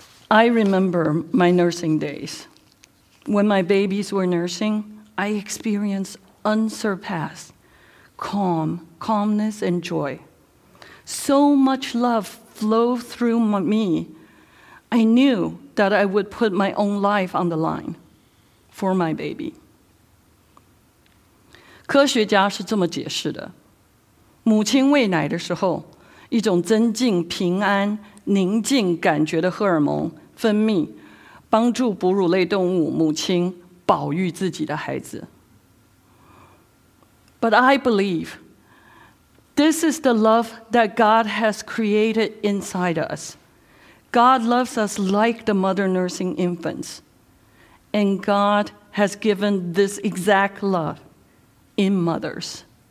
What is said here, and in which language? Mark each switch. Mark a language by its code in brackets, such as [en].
[en] I remember my nursing days. When my babies were nursing, I experienced unsurpassed calmness and joy. So much love flowed through me. I knew that I would put my own life on the line for my baby. [zh] 科学家是这么解释的。母亲喂奶的时候，一种增进平安、宁静感觉的荷尔蒙分泌，帮助哺乳类动物母亲保育自己的孩子。 [en] But I believe this is the love that God has created inside us. God loves us like the mother nursing infants, and God has given this exact love in mothers.